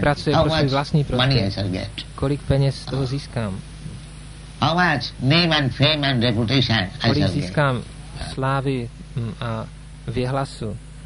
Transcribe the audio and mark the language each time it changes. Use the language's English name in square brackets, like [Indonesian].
[Czech] Pracuje pro svůj vlastní prostředí. Kolik peněz z toho získám? [English] How much name and fame and reputation I [Czech] kolik získám slávy a věhlasu?